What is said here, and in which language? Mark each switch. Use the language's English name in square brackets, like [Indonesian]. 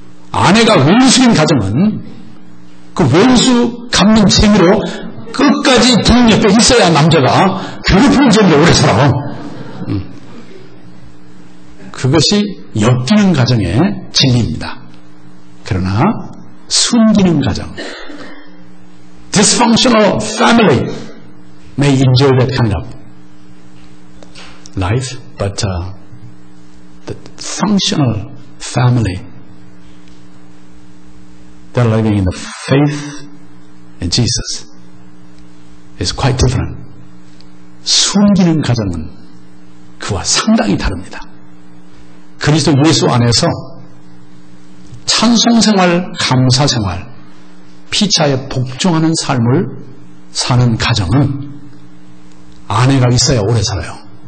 [Korean] 아내가 원수인 가정은 그 원수 갚는 재미로 끝까지 부인 옆에 있어야 남자가 괴롭히는 재미로 오래 살아. 그것이 엮이는 가정의 진리입니다. 그러나 숨기는 가정, [English] dysfunctional family may enjoy that kind of life, but the functional family, they're living in the faith in Jesus, is quite different. [Korean] 숨기는 가정은 그와 상당히 다릅니다. 그리스도 예수 안에서 찬송생활, 감사생활, 피차에 복종하는 삶을 사는 가정은 아내가 있어야 오래 살아요.